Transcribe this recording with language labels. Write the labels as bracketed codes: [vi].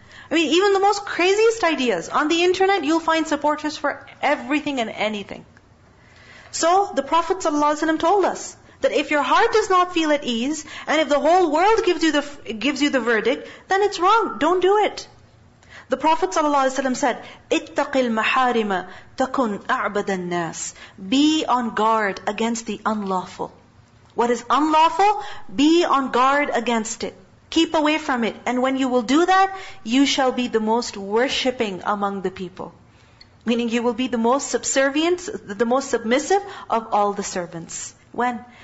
[en] I mean, even the most craziest ideas. On the internet, you'll find supporters for everything and anything. So, the Prophet ﷺ told us that if your heart does not feel at ease, and if the whole world gives you the verdict, then it's wrong. Don't do it. The Prophet ﷺ said, [ar] اتَّقِ الْمَحَارِمَ تَكُنْ أَعْبَدَ النَّاسِ. [en] Be on guard against the unlawful. What is unlawful? Be on guard against it. Keep away from it. And when you will do that, you shall be the most worshipping among the people. Meaning you will be the most subservient, the most submissive of all the servants. When?